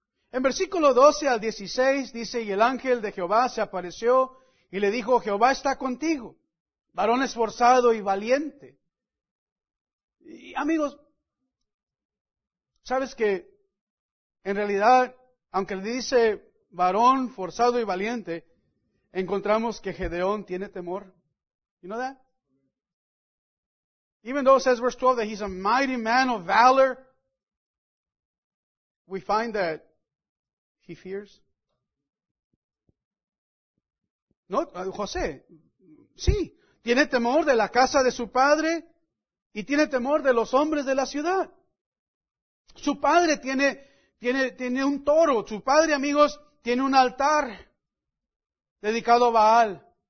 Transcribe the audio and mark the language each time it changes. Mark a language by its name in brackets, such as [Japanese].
[Spanish] En versículo 12 al 16 dice, y el ángel de Jehová se apareció y le dijo, Jehová está contigo, varón esforzado y valiente. Y amigos, sabes que en realidad, aunque le dice varón, forzado y valiente, encontramos que Gedeón tiene temor. [English] You know that? Even though it says verse 12 that he's a mighty man of valor, we find that he fears. [Spanish] No, José, sí, tiene temor de la casa de su padre y tiene temor de los hombres de la ciudad. Su padre tiene un toro. Su padre, amigos, tiene un altar dedicado a Baal.